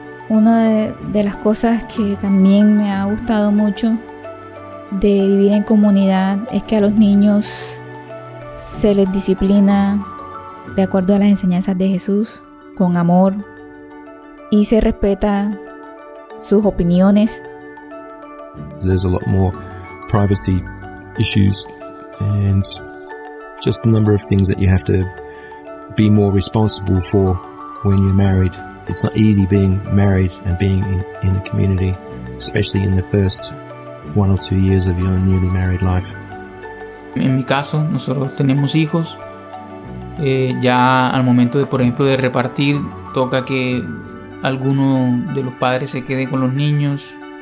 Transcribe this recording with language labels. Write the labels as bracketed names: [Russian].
[Spanish] Una de las cosas que también me ha gustado mucho de vivir en comunidad es que a los niños se les disciplina de acuerdo a las enseñanzas de Jesús, con amor, y se respeta sus opiniones. [English] There's a lot more privacy issues and just the number of things that you have to be more responsible for when you're married. It's not easy being married and being in a community, especially in the first 1 or 2 years of your newly married life. [Spanish] En mi caso, nosotros tenemos hijos. Ya al momento de, por ejemplo, de repartir, toca que alguno de los padres se quede con los niños.